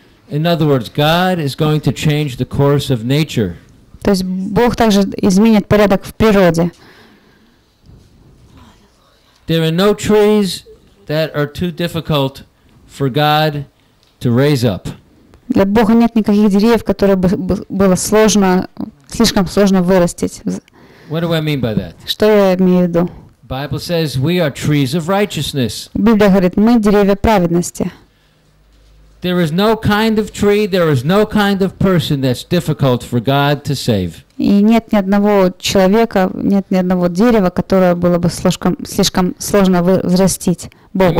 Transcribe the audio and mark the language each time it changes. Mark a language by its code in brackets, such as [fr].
[en] In other words, God is going to change the course of nature. [ru] То есть Бог также изменит порядок в природе. [en] There are no trees that are too difficult for God to raise up. [ru] Для Бога нет никаких деревьев, которые было сложно, слишком сложно вырастить. [en] What do I mean by that? [ru] Что я имею в виду? [en] Bible says we are trees of righteousness. [ru] Библия говорит, мы деревья праведности. [en] There is no kind of tree, there is no kind of person that's difficult for God to save. [ru] И нет ни одного человека, нет ни одного дерева, которое было бы слишком сложно взрастить Богу.